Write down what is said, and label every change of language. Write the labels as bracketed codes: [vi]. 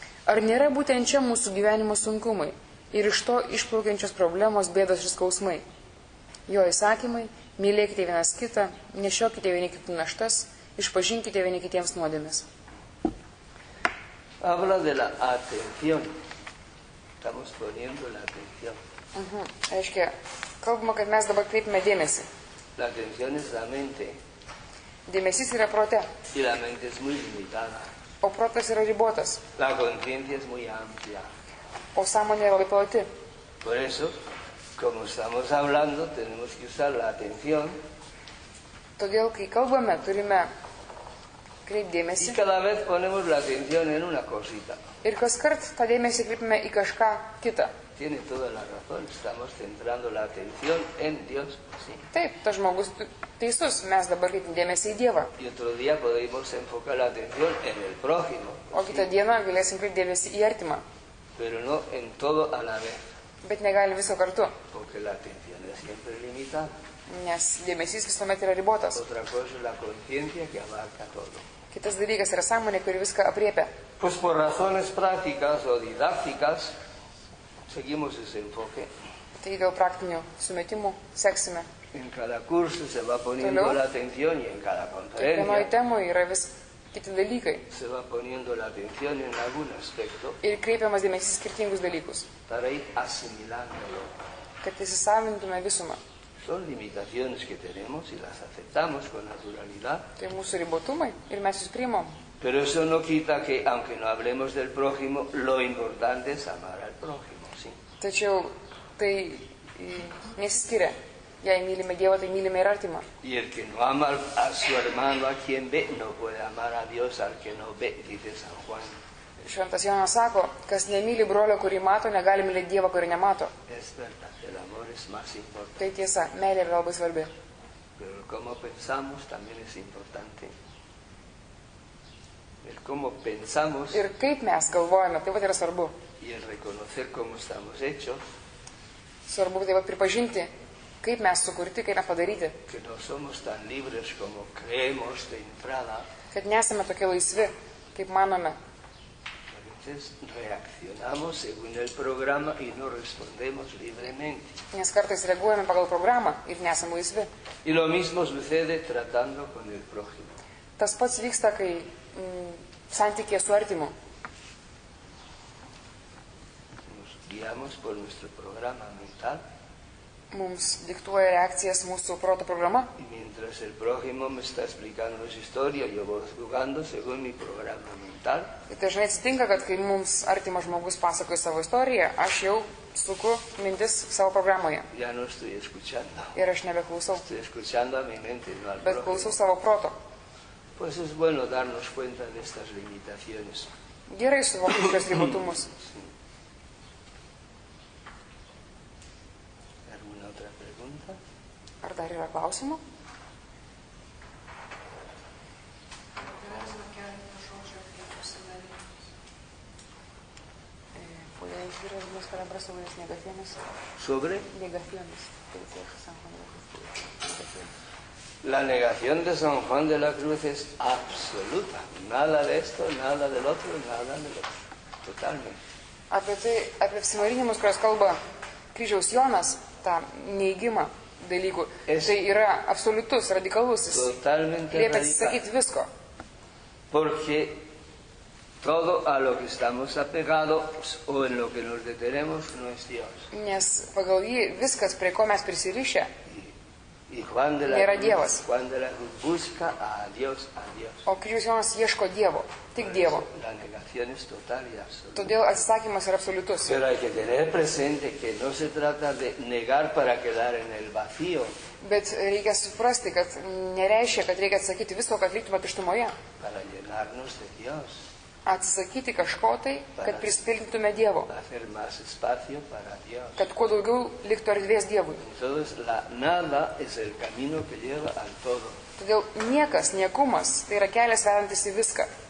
[lt] Ar nėra būtent čia mūsų gyvenimo sunkumai? Ir iš to išplaukiančios problemos, bėdos ir skausmai. Jo įsakymai, mylėkite vienas kitą, nešiokite vieni kitų naštas, išpažinkite vieni kitiems nuodėmes. [es] Habla de la atención. Estamos poniendo la atención. [lt] Aiškia, kalbama, kad mes dabar kreipime dėmesį. [es] La atención es la mente. [lt] Dėmesys yra prote. [es] Y la mente es muy limitada. [lt] O protas yra ribotas. [es] La conciencia es muy amplia. [lt] O sąmonė labai plati. [es] Por eso, como estamos hablando, tenemos que usar la atención. [lt] Todėl, kai kalbame, turime kreipti dėmesį. [es] Y cada vez ponemos la atención en una cosita. [lt] Ir kaskart tą dėmesį kreipime į kažką kitą. [es] Tiene toda la razón, estamos centrando la atención en Dios. Sí. [lt] Taip, tas žmogus teisus, mes dabar kreipime dėmesį į Dievą. [es] Y otro día podemos enfocar la atención en el prójimo. [lt] O kitą dieną galėsim kreipti dėmesį į artimą. [es] Pero no en todo a la vez. [lt] Bet negali viso kartu. [es] Porque la atención es siempre limitada. [lt] Nes dėmesys visuomet yra ribotas. [es] Otra cosa es la conciencia que abarca todo. [lt] Kitas dalykas yra sąmonė, kuri viską apriepia. [es] Pues por razones prácticas o didácticas, seguimos ese enfoque. [lt] Tai dėl praktinių sumetimų seksime. [es] En cada curso se va poniendo la atención y en cada conferencia. [lt] Kiekvienoje temoje yra vis kiti dalykai. [es] Se va poniendo la atención en algún aspecto. [lt] Ir kreipiamas dėmesys skirtingus dalykus. [es] Para ir asimilándolo. [lt] Kad įsisavintume visumą. [es] Son limitaciones que tenemos y las aceptamos con naturalidad. [lt] Tai mūsų ribotumai ir mes jūs priimam. [es] Pero eso no quita que, aunque no hablemos del prójimo, lo importante es amar al prójimo, sí. [lt] Tačiau tai nesiskiria. Jei mylime Dievą, tai mylime ir artimą. [es] Y el que no ama a su hermano, a quien ve, no puede amar a Dios, al que no ve, dice San Juan. [lt] Šventas Jonas sako, kas nemyli brolio, kurį mato, negali mylėti Dievą, kurį nemato. [es] Es verdad, el amor es más importante. [lt] Tai tiesa, meilė yra labai svarbi. [es] Pero como pensamos, también es importante. El cómo pensamos. [lt] Ir kaip mes galvojame, taip pat yra svarbu. [es] Y el reconocer cómo estamos hechos. [lt] Svarbu taip pat pripažinti, kaip mes sukurti, kaip mes padaryti. [es] Que no somos tan libres como creemos de entrada. [lt] Kad nesame tokie laisvi, kaip manome. [es] Entonces reaccionamos según el programa y no respondemos libremente. [lt] Nes kartais reaguojame pagal programą ir nesame laisvi. [es] Y lo mismo sucede tratando con el prójimo. [lt] Tas pats vyksta, kai santykyje su artimu. [es] Nos guiamos por nuestro programa mental. [lt] Mums diktuoja reakcijas mūsų proto programa. [es] Y mientras el prójimo me está explicando su historia, yo voy jugando según mi programa mental. [lt] Ir dažnai atsitinka, kad kai mums artimas žmogus pasakoja savo istoriją, aš jau suku mintis savo programoje. [es] Ya no estoy escuchando. [lt] Ir aš nebeklausau. [es] Estoy escuchando a mi mente, no al prójimo. [lt] Bet klausau savo proto. [es] Pues es bueno darnos cuenta de estas limitaciones. [lt] Gerai suvokti šios ribotumus. [es] ¿Alguna otra pregunta? [lt] Ar dar yra klausimų? [es] ¿Puede decir algunas palabras sobre las negaciones? ¿Sobre? Negaciones. Negaciones. La negación de San Juan de la Cruz es absoluta. Nada de esto, nada del otro, nada del otro. Totalmente. [lt] Apie tai, apie apsimarinimus, kurios kalba Kryžiaus Jonas, tą neigimą dalykų, es tai yra absoliutus, radikalus. [es] Totalmente [lt] radikal. Liepia atsisakyti visko. [es] Porque todo a lo que estamos apegados o en lo que nos detenemos no es Dios. [lt] Nes pagal jį viskas, prie ko mes prisirišę, [es] Y Juan de la [lt] nėra Dievas. [es] Juan de la Cruz busca a Dios, a Dios. [lt] O Kryžiaus Jonas ieško Dievo, tik Dievo. [es] La negación es total y absoluta. [lt] Todėl atsisakymas yra absoliutus. [es] Pero hay que tener presente que no se trata de negar para quedar en el vacío. [lt] Bet reikia suprasti, kad nereiškia, kad reikia atsakyti visko, kad liktume tuštumoje. [es] Para llenarnos de Dios. [lt] Atsisakyti kažko tai, kad prispildytume Dievo. Kad kuo daugiau liktų erdvės Dievui. [es] Entonces, la nada es el camino que lleva al todo. [lt] Todėl niekas, niekumas, tai yra kelias vedantis į viską.